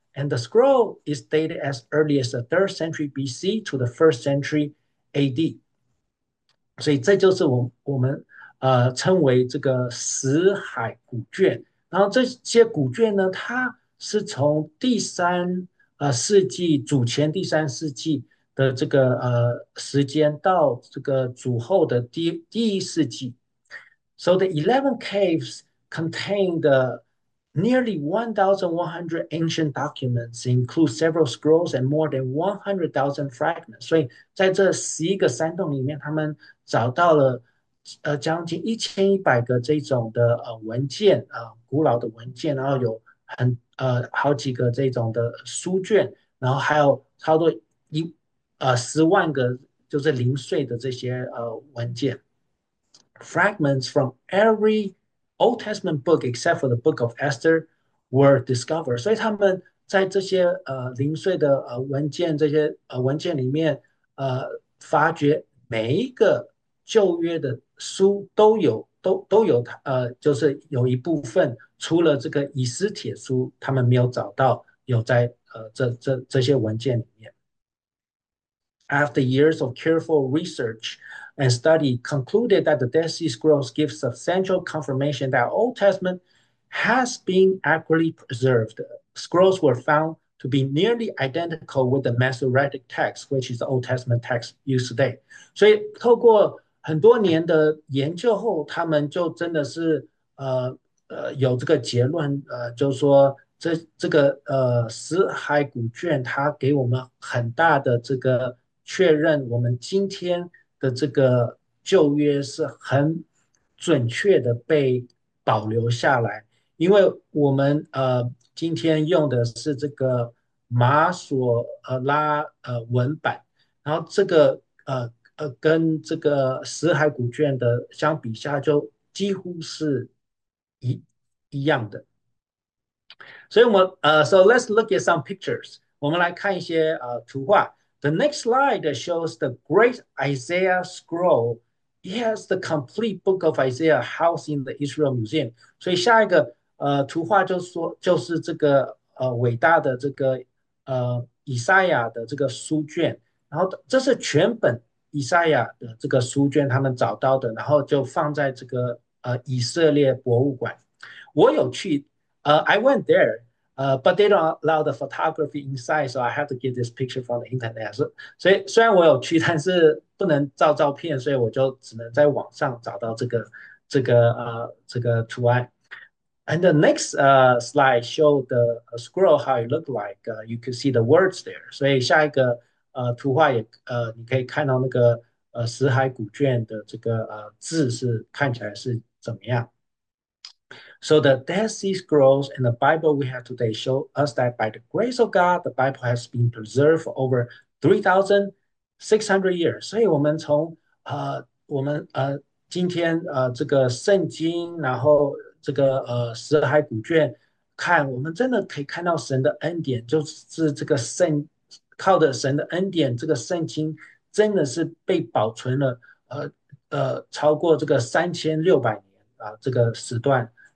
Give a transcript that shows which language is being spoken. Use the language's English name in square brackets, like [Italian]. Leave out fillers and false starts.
[English] And the scroll is dated as early as the 3rd century BC to the 1st century AD. [Chinese] 所以这就是我们称为这个死海古卷。然后这些古卷呢，它是从第三世纪主前第三世纪的这个时间到这个主后的第一世纪。 [English] So the 11 caves contained nearly 1,100 ancient documents, include several scrolls and more than 100,000 fragments. [Chinese] 所以在这11个山洞里面，他们找到了将近1,100个这种的文件古老的文件，然后有很好几个这种的书卷，然后还有差不多10万个就是零碎的这些文件。 [English] Fragments from every Old Testament book except for the Book of Esther were discovered。 [Chinese] 所以他们在这些零碎的文件，这些文件里面，发掘每一个旧约的书都有它，就是有一部分除了这个以斯帖书，他们没有找到有在这些文件里面。 [English] After years of careful research and study concluded that the Dead Sea Scrolls give substantial confirmation that Old Testament has been accurately preserved. Scrolls were found to be nearly identical with the Masoretic text, which is the Old Testament text used today. [Chinese] 所以，透过很多年的研究后，他们就真的是有这个结论，就是说这个死海古卷它给我们很大的这个确认，我们今天的这个旧约是很准确的被保留下来，因为我们今天用的是这个马索拉文版，然后这个跟这个死海古卷的相比下，就几乎是一样的。所以 [English] so let's look at some pictures， [Chinese] 我们来看一些图画。 [English] The next slide shows the Great Isaiah Scroll. It has the complete Book of Isaiah housed in the Israel Museum. [Chinese] 所以下一个图画就是这个伟大的这个以赛亚的这个书卷。然后这是全本以赛亚的这个书卷，他们找到的，然后就放在这个以色列博物馆。我有去， [English] I went there. But they don't allow the photography inside, so I have to get this picture from the internet. [Chinese] 所以虽然我有去，但是不能照照片，所以我就只能在网上找到这个图案。 [English] And the next slide show the scroll how it looked like. You can see the words there. [Chinese] 所以下一个图画也你可以看到那个死海古卷的这个字是看起来是怎么样。 [English] So the Dead Sea Scrolls and the Bible we have today show us that by the grace of God, the Bible has been preserved for over 3,600 years. [Chinese] 所以，我们今天这个圣经，然后这个死海古卷看，我们真的可以看到神的恩典，就是这个圣靠着神的恩典，这个圣经真的是被保存了超过这个3,600年这个时段。